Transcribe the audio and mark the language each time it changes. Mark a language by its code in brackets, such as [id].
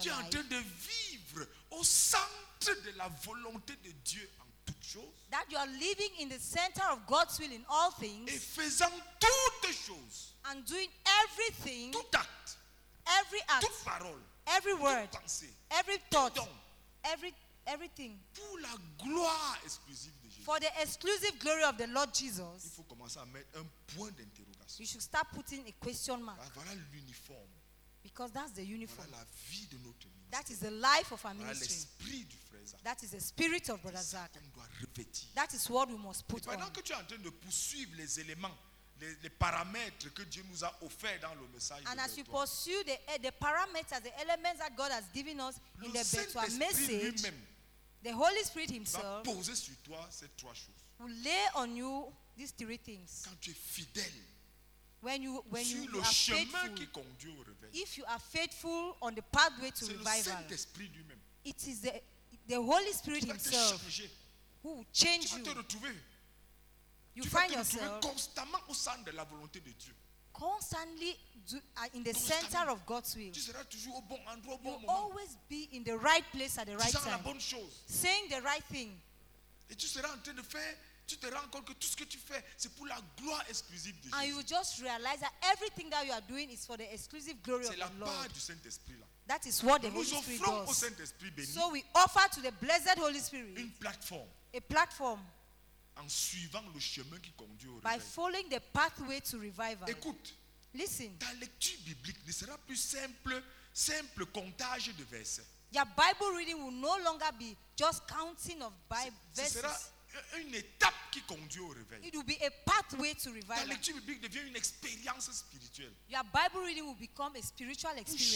[fr] tu [en] life. [fr] Tu es en train de vivre au centre de la volonté de Dieu. [en] That you are living in the center of God's will in all things. [fr] Et faisant toutes choses. [en] And doing everything. [fr] Tout acte. [en] Every act. [fr] Toute parole. [en] every word, every thought, everything. [fr] Pour la gloire exclusive de Jésus. [en] For the exclusive glory of the Lord Jesus. [fr] Il faut commencer à mettre un point d'interrogation. [en] You should start putting a question mark. [fr] Voilà l'uniforme. [en] Because that's the uniform. [fr] Voilà la vie de notre ministère. [en] That is the life of our ministry. [fr] Voilà l'esprit du frère Zach. [en] That is the spirit of brother Zach. [fr] On doit revêtir. [en] That is what we must put [fr] on. Et pendant [en] on. [fr] Que tu es en train de poursuivre les éléments. Les paramètres que Dieu nous a offerts dans le message. [en] And as you pursue the parameters, the elements that God has given us in [fr] le [en] the Betoa message, [fr] lui-même, [en] the Holy Spirit himself [fr] va poser sur toi ces trois choses. [en] Will lay on you these three things. [fr] Quand tu es fidèle, [en] when you [fr] le [en] are [fr] chemin [en] faithful, [fr] qui conduit au réveil, [en] if you are faithful on the pathway to revival, [fr] c'est le Saint-Esprit lui-même. [en] It is the Holy Spirit himself who will change [fr] tu [en] you. [fr] Tu vas te retrouver. [en] You [fr] tu [en] find yourself [fr] constamment au centre de la volonté de Dieu. [en] Constantly in the center of God's will. [fr] Tu seras toujours au bon endroit, au bon [en] you [fr] moment. [en] Always be in the right place at the right [fr] disant [en] time. [fr] La bonne chose. [en] Saying the right thing. [fr] Et tu seras en train de faire, tu te rends compte que tout ce que tu fais, c'est pour la gloire exclusive de [en] and And you just realize that everything that you are doing is for the exclusive glory [fr] c'est [en] of the Lord. [fr] C'est la part du Saint-Esprit là. [en] That is what the [fr] nous [en] Holy Spirit does. [fr] Au Saint-Esprit béni. [en] So we offer to the blessed Holy Spirit [fr] une plateforme. [en] A platform. [fr] En suivant le chemin qui conduit au réveil. [en] By following the pathway to revival. [fr] Écoute. [en] Listen. [fr] Ta lecture biblique ne sera plus simple comptage de versets. [en] Your Bible reading will no longer be just counting of verses. [fr] Ce sera une étape qui conduit au réveil. [en] It will be a pathway to revival. [fr] Ta lecture biblique devient une expérience spirituelle. [en] Your Bible reading will become a spiritual experience.